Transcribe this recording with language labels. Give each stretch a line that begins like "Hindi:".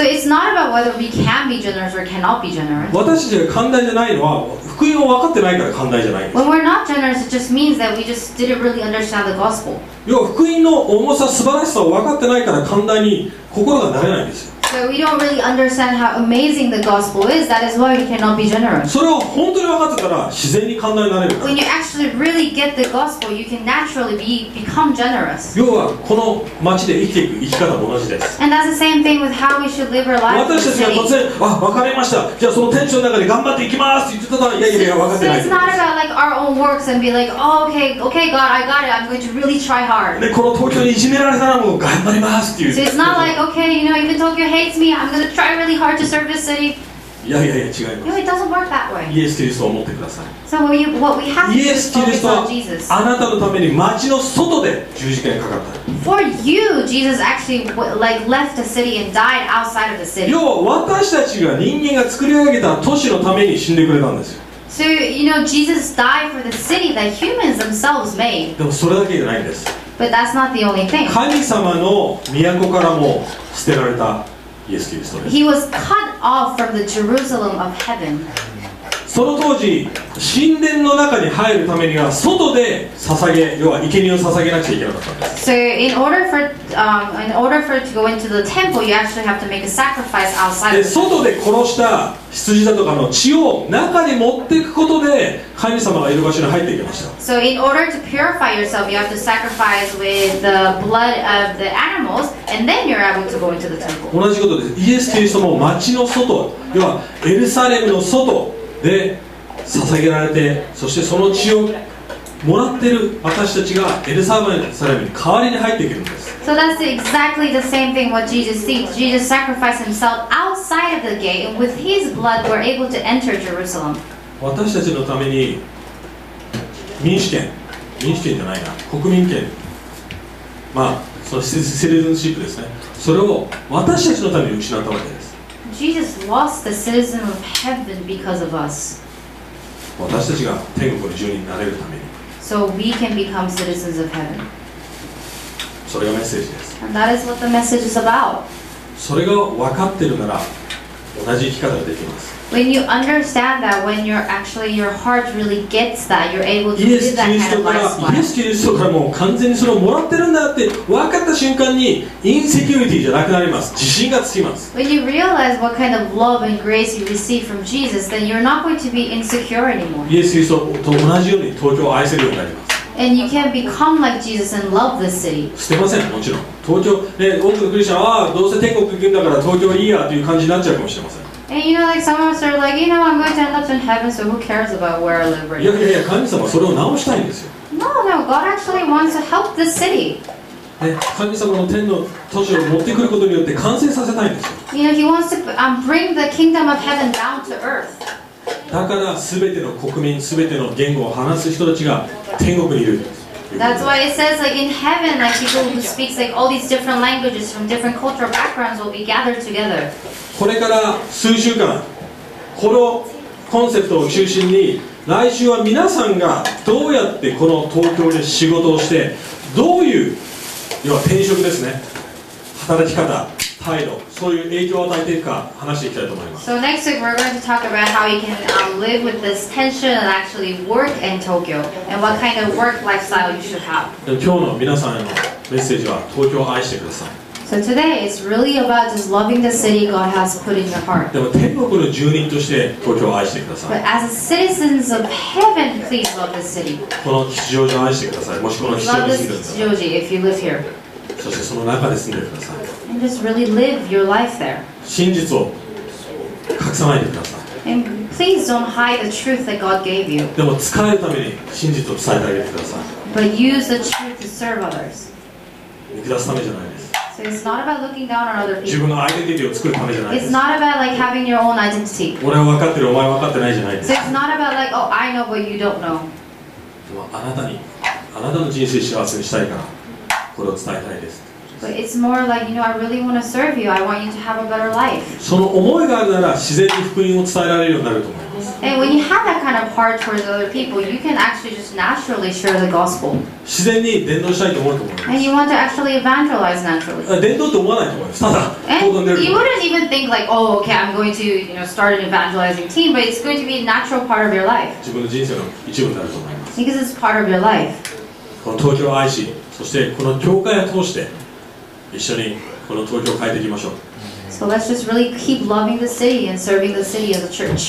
English: So it's not about whether we can be generous or cannot be generous.
Japanese: 私たちが寛大じゃないのは福音を分かってないから寛大じゃないです。
English: When we're not generous, it just means that we just didn't really understand the gospel.
Japanese: 要は福音の重さ素晴らしさを分かってないから寛大に心がなれないんですよ。
English: So we don't really understand how amazing the gospel is. That is why we cannot be generous.
Japanese: それを本当に分かってたら自然に寛大になれるから。
English: When you actually really get the gospel, you can naturally become generous.
Japanese: 要はこの町で生きていく生き方も同じです。
English: And that's the same thing with how we should live our lives.
Japanese: 私たちが突然あ分かりました。じゃあそのテンションの中で頑張っていきますって言ってたらいや分かってない。
English: So it's not about like our own works and be like, oh, okay, God, I got it. I'm going to really try hard.
Japanese: でこの東京にいじめられたらもう頑張りますっていう。
English: So it's not like, okay, you know, even Tokyo hates. It's me. I'm going to try really hard to serve this city.
Japanese: いや違います。
English: No, it doesn't work that way.
Japanese: イエス・キリストを持ってください。
English: So what we have to focus on Jesus.
Japanese: イエス・キリストはあなたのために町の外で十字架にかかった。
English: For you, Jesus actually like left the city and died outside of the city.
Japanese: 要は私たちが人間が作り上げた都市のために死んでくれたんですよ。
English: So you know, Jesus died for the city that humans themselves made.
Japanese: でもそれだけじゃないんです。
English: But that's not the only thing.
Japanese: 神様の都からも捨てられた。
English: He was cut off from the Jerusalem of heaven.
Japanese: その当時、神殿の中に入るためには外で捧げ、要は生贄を捧げなくちゃいけなかったんです
English: So in order for, in order for to go into the temple, you actually have to make a sacrifice outside.
Japanese: 外で殺した羊だとかの血を中に持っていくことで神様がいる場所に入っていきました。
English: So in order to purify yourself, you have to sacrifice with the blood of the animals, and then you're able to go into the temple.
Japanese: 同じことです。イエス・キリストも町の外、要はエルサレムの外で捧げられて、そしてその血をもらっている私たちがエルサレムに代わりに入っていけるんです。
English: So that's exactly the same thing what Jesus did. Jesus sacrificed himself outside of the gate, and with his blood we're able to enter Jerusalem.
Japanese: 私たちのために民主権、民主権じゃないな、国民権、まあそのシティズンシップですね、それを私たちのために失ったわけです。
English: Jesus lost the citizen of heaven because of us.
Japanese: 私たちが天国の住人になれるために。
English: So we can become citizens of heaven.
Japanese: それがメッセージです。
English: And that is what the message is about.
Japanese: それが分かってるなら、同じ生き方ができます。
English: When you understand that, when you're actually your heart really gets that, you're able to do that kind of lifestyle.
Japanese: イエス・キリストからもう完全にそれをもらってるんだって分かった瞬間に、インセキュリティじゃなくなります。自信がつきます。
English: When you realize what kind of love and grace you receive from Jesus, then you're not going to be insecure anymore.
Japanese: イエス・キリストと同じように東京を愛せるようになります。
English: And you can become like Jesus and love this city.
Japanese: 捨てません、もちろん。東京、ね、多くのクリスチャンは、どうせ天国行くんだから東京いいやという感じになっちゃうかもしれません。
English: And you know, like some of us are like, you know, I'm going to end up in heaven, so who cares about where I live right now?
Japanese: いやいや、神様はそれを直したいんですよ。
English: No, God actually wants to help this city.
Japanese: 神様の天の都市を持ってくることによって完成させたいんですよ。
English: You know, he wants to bring the kingdom of heaven down to earth.
Japanese: だから全ての国民、全ての言語を話す人たちが天国にいるんです。
English: That's why it says like in heaven, like people who speak like all these different languages from different cultural backgrounds will be gathered together.
Japanese: これから数週間、このコンセプトを中心に、来週は皆さんがどうやってこの東京で仕事をして、どういう、要は転職ですね、働き方、態度、そういう影響を与えていくか話していきたいと思います。
English: So next week we're going to talk about how you can live with this tension and actually work in Tokyo and what kind of work lifestyle you should have.
Japanese: 今日の皆さんへのメッセージは、東京を愛してください。
English: So today it's really about just loving the city God has put in your heart.
Japanese: でも天国の住人として東京を愛してください。
English: But as citizens of heaven, please love the city.
Japanese: この吉祥寺を愛してください。もしこの吉祥寺に住んでください。
English: Love this 吉祥寺 if you live here.
Japanese: そしてその中で住んでください。
English: And just really live your life there.
Japanese: 真実を隠さないでください。
English: And please don't hide the truth that God gave you.
Japanese: でも使えるために真実を伝えてあげてください。
English: But use the truth to serve others.
Japanese: 見下すためじゃないです。
English: It's not about looking down on other people.
Japanese: 自分のアイデンティティを作るためじゃないです。
English: It's not about like having your own identity.
Japanese: 俺は分かってる、お前は分かってないじゃないです。
English: So it's not about like, oh, I know, but you don't know.
Japanese: でもあなたに、あなたの人生を幸せにしたいから、これを伝えたいです。
English: But it's more like, you know, I really want to serve you. I want you to have a better life.
Japanese: その思いがあるなら、自然に福音を伝えられるようになると思います。
English: And when you have that kind of heart towards other people, you can actually just naturally share the gospel.
Japanese: 自然に伝道したいと思うと思います。
English: And you want to actually evangelize naturally.
Japanese: 伝道と思わないと思います。ただ、行動に出る。
English: You wouldn't even think like, oh, okay, I'm going to, you know, start an evangelizing team, but it's going to be a natural part of your life.
Japanese: 自分の人生の一部になると思います。
English: Because it's part of your life.
Japanese: この東京を愛し、そしてこの教会を通して、一緒にこの東京を変えていきましょう。
English: So let's just really keep loving the city and serving the city as a church.